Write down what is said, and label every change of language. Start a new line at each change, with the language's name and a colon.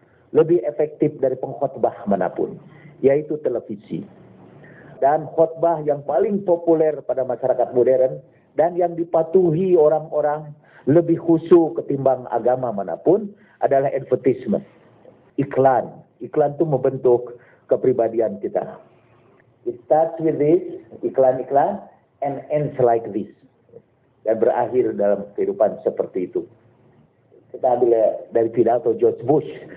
Indonesian: Lebih efektif dari pengkhutbah manapun, yaitu televisi. Dan khutbah yang paling populer pada masyarakat modern dan yang dipatuhi orang-orang lebih khusyuk ketimbang agama manapun adalah advertisement. Iklan. Iklan itu membentuk kepribadian kita.
English: It starts with this, iklan-iklan, and ends like this.
Indonesian: Dan berakhir dalam kehidupan seperti itu. Kita ambil dari pidato George Bush.